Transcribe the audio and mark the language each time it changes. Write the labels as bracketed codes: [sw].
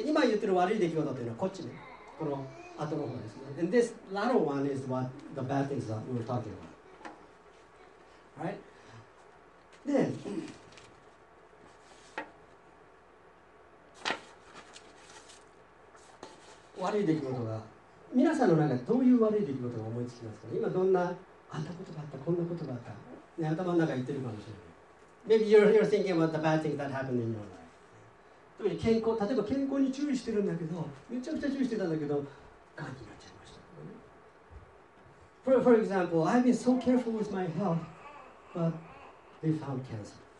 [ja] で今言ってる悪い出来事というのはこっちね、この後の方ですね。 [en] And this latter one is what the bad things that we're talking about. Right? [ja] で、悪い出来事が、皆さんの中でどういう悪い出来事が思いつきますか、ね、今どんな、あんなことがあった、こんなことがあった、ね、頭の中言ってるかもしれない。 [en] Maybe you're thinking about the bad things that happened in your life. [ja] 健康、例えば健康に注意してるんだけど、めちゃくちゃ注意してたんだけど、がんになっちゃいました。 [en] For example, I've been so careful with my health, but they found cancer.